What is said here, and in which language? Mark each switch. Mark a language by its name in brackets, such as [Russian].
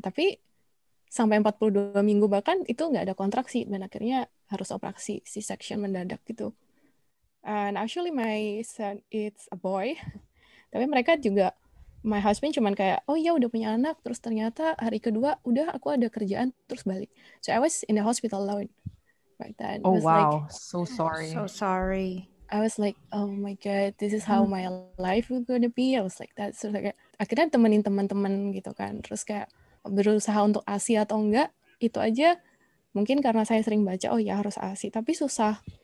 [Indonesian] Tapi sampai 42 minggu bahkan itu nggak ada kontraksi dan akhirnya harus operasi C-section mendadak gitu. [English] And actually my son it's a boy. [Indonesian] Tapi mereka juga [English] my husband [Indonesian] cuman kayak oh ya udah punya anak terus ternyata hari kedua udah aku ada kerjaan terus balik. [English] So I was in the hospital alone right then. Oh was wow, like, so sorry. So sorry. I was like oh my god, this is how my life is gonna be. I was like that. So like, [Indonesian] akhirnya temenin teman-teman gitu kan. Terus kayak berusaha untuk ASI atau enggak, itu aja mungkin karena saya sering baca, oh ya harus ASI, tapi susah.